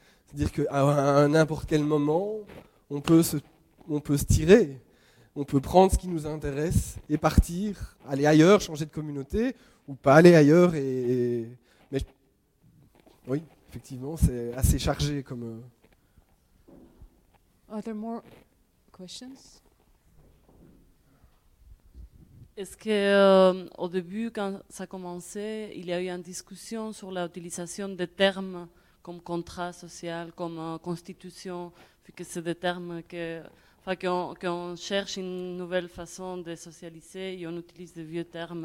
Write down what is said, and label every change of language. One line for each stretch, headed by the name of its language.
French: C'est-à-dire qu'à n'importe quel moment... On peut se tirer, on peut prendre ce qui nous intéresse et partir, aller ailleurs, changer de communauté, ou pas aller ailleurs. Mais oui, effectivement, c'est assez chargé comme.
English: Are there more questions?
French: Est-ce que au début, quand ça commençait, il y a eu une discussion sur l'utilisation des termes comme contrat social, comme constitution, que c'est des termes que, enfin, qu'on cherche une nouvelle façon de socialiser et on utilise de vieux termes.